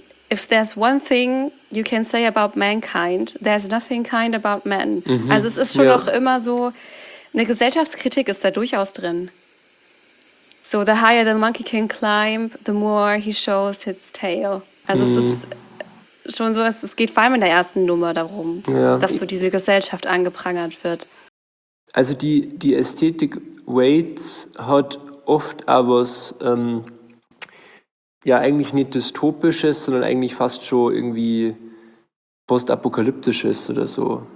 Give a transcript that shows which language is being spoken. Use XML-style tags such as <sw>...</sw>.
<en>if there's one thing you can say about mankind, there's nothing kind about men. Mhm.</en> <de>Also es ist schon noch immer so, eine Gesellschaftskritik ist da durchaus drin.</de> <en>So, the higher the monkey can climb, the more he shows his tail.</en> <de>Also es ist schon so, es geht vor allem in der ersten Nummer darum, dass so diese Gesellschaft angeprangert wird. Also die Ästhetik Waits hat oft auch was... eigentlich nicht dystopisches, sondern eigentlich fast schon irgendwie postapokalyptisches oder so.</de>